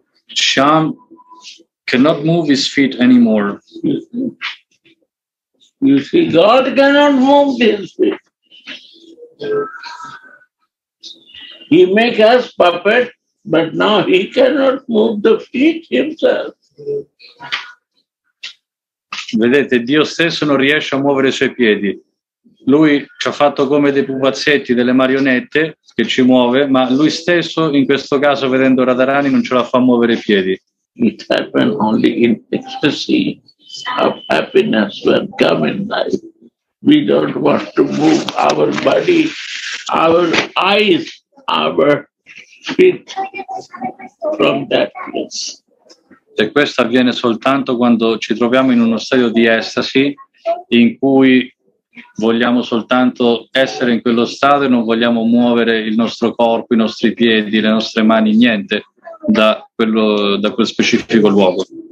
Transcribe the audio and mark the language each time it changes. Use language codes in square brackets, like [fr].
[en] Shyam cannot move his feet anymore. You see, God cannot move his feet. He make us puppet, but now he cannot move the feet himself. [it] Vedete, Dio stesso non riesce a muovere i suoi piedi. Lui ci ha fatto come dei pupazzetti, delle marionette che ci muove, ma lui stesso, in questo caso, vedendo Radharani, non ce la fa muovere i piedi. [en] It happened only in ecstasy of happiness when coming life. We don't want to move our body, our eyes, our feet from that place. [it] E questo avviene soltanto quando ci troviamo in uno stadio di estasi, in cui vogliamo soltanto essere in quello stato e non vogliamo muovere il nostro corpo, i nostri piedi, le nostre mani, niente da quel specifico luogo.